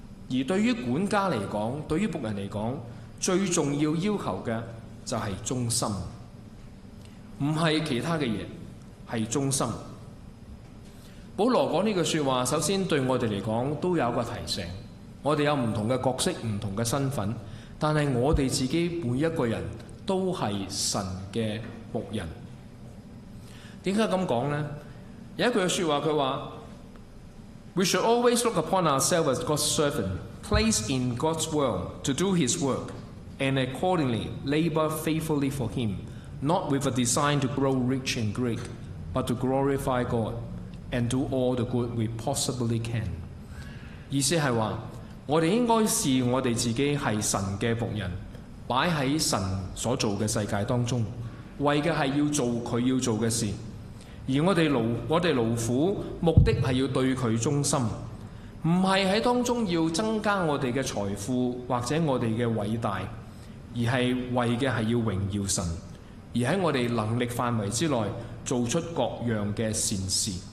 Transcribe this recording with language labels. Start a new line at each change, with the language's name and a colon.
Chinese: 而对于管家来说，对于仆人来说，最重要要求的就是忠心，不是其他的事，是忠心。保罗讲这句话，首先对我们来说都有一个提醒，我们有不同的角色，不同的身份，但是我们自己每一个人都是神的仆人。为什么这样说呢？有一句说话，他说
English: We should always look upon ourselves as God's servant, placed in God's world to do his work, and accordingly labor faithfully for him, not with a design to grow rich and great, but to glorify God. And do all the good we possibly can。
Chinese: 意思是说，我们应该视我们自己是神的仆人，摆在神所做的世界当中，为的是要做他要做的事，而我们劳苦目的是要对他忠心，不是在当中要增加我们的财富或者我们的伟大，而是为的是要荣耀神，而在我们能力范围之内做出各样的善事。